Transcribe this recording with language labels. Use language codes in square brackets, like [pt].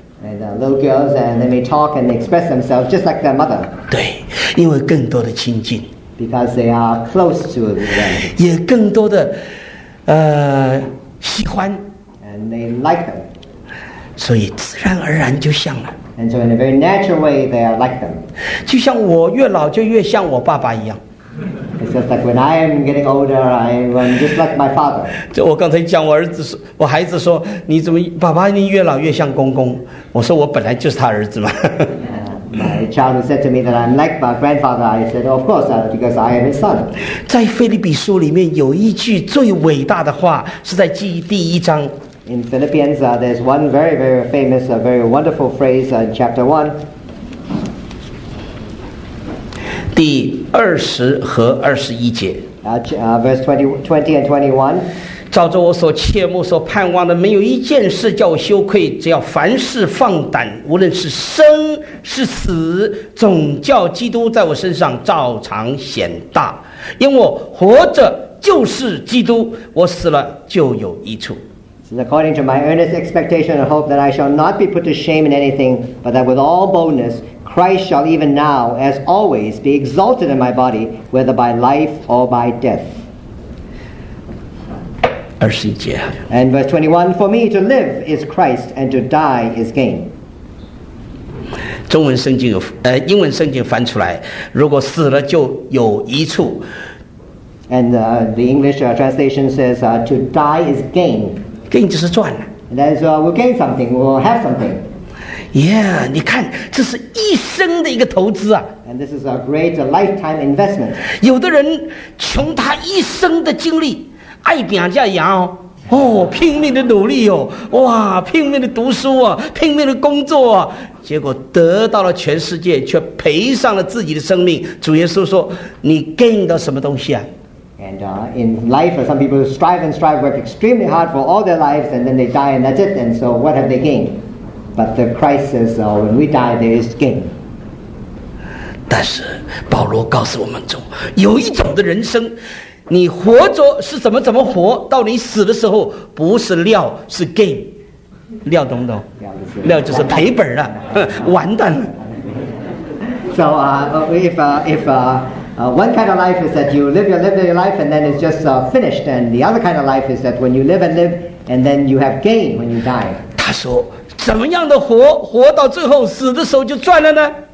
[en] And the little girls and they may talk and express themselves just like their mother. [zh] 对，因为更多的亲近。 [en] Because they are close to them. [zh] 也更多的，喜欢。 [en] And they like them. [zh] 所以自然而然就像了。 [en] And so in a very natural way, they are like them. [zh] 就像我越老就越像我爸爸一样。 [en] It's just like when I am getting older, I am just like my father. [zh] 就我刚才讲我儿子，我孩子说，你怎么爸爸你越老越像公公？我说我本来就是他儿子嘛。 [en] My child said to me that I'm like my grandfather. I said, of course, because I am his son. [zh] 在腓立比书里面有一句最伟大的话，是在记第一章。 [en] In Philippians, there's one very, very famous, very wonderful phrase in chapter 1. [zh] 第二十和二十一节。 [en] Verse 20 and 21. [zh] 照着我所切慕所盼望的，没有一件事叫我羞愧，只要凡事放胆，无论是生是死，总叫基督在我身上照常显大。因我活着就是基督，我死了就有益处。 [en] According to my earnest expectation and hope that I shall not be put to shame in anything, but that with all boldness, Christ shall even now, as always, be exalted in my body, whether by life or by death. [zh] 二十一节。 [en] And verse 21, for me to live is Christ, and to die is gain. [zh] 中文圣经有，英文圣经翻出来，如果死了就有益处。 [en] And the English translation says, to die is gain. [zh] gain 就是赚了。 [en] That is, we'll gain something, we'll have something. [zh] Yeah, 你看，这是一生的一个投资啊。 [en] And this is a great lifetime investment. [zh] 有的人穷他一生的精力，爱拼这样哦，哦，拼命的努力哦，哇，拼命的读书啊，拼命的工作啊，结果得到了全世界，却赔上了自己的生命。主耶稣说，你 gain 到什么东西啊？ [en] And in life, some people strive and strive, work extremely hard for all their lives, and then they die, and that's it. And so, what have they gained? But the Christ says, when we die, there is gain. [zh] 但是保罗告诉我们说，有一种的人生，你活着是怎么活，到你死的时候不是料，是 gain。料懂不懂？料就是赔本了，完蛋了。 [en] So, one kind of life is that you live your life and then it's just finished. And the other kind of life is that when you live and live and then you have gain when you die. [zh] 他说，怎么样的活，活到最后死的时候就赚了呢？